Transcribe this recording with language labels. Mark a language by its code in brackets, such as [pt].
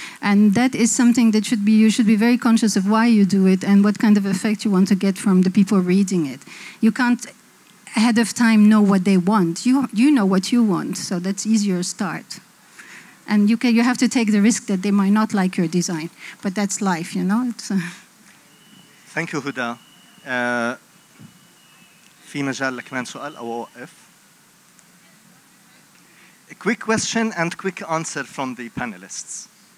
[en] And that is something that you should be very conscious of why you do it and what kind of effect you want to get from the people reading it. You can't ahead of time know what they want. You know what you want, so that's easier to start. And you have to take the risk that they might not like your design, but that's life, you know? Thank you, Huda. [ar] في مجال لكمان سؤال أو أوقف. [en] A quick question and quick answer from the panelists.